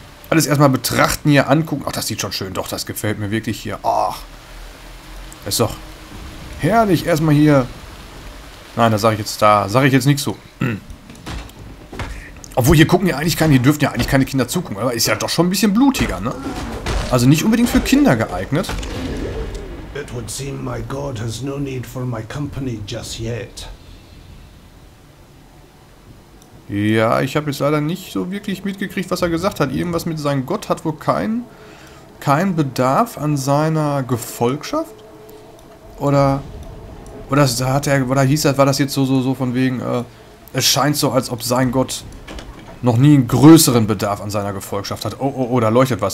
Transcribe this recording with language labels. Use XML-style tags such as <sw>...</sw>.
<de>Alles erstmal betrachten hier, angucken. Ach, das sieht schon schön. Doch, das gefällt mir wirklich hier. Ach. Ist doch herrlich. Erstmal hier. Nein, da sage ich jetzt nichts so. Obwohl, hier gucken ja eigentlich keine, hier dürften ja eigentlich keine Kinder zugucken. Aber ist ja doch schon ein bisschen blutiger, ne? Also nicht unbedingt für Kinder geeignet.</de> <en>It would seem my God has no need for my company just yet.</en> <de>Ja, ich habe jetzt leider nicht so wirklich mitgekriegt, was er gesagt hat. Irgendwas mit seinem Gott hat wohl keinen Bedarf an seiner Gefolgschaft? Oder hat er, oder hieß das, war das jetzt so von wegen, es scheint so, als ob sein Gott noch nie einen größeren Bedarf an seiner Gefolgschaft hat. Oh, oh, oh, da leuchtet was.</de>